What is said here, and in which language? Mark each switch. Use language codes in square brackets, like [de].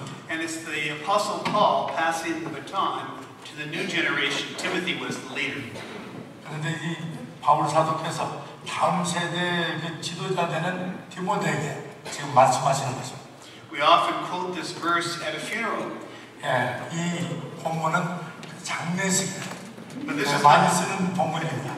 [en] And it's the Apostle Paul passing the baton to the new generation. Timothy was the leader. [ko] 그런데 이 바울 사도께서 다음 세대의 지도자 되는 디모데에게 지금 말씀하시는 것입니다. [en] We often quote this verse at a funeral. [ko] 이 본문은 장례식 많이 쓰는 본문입니다.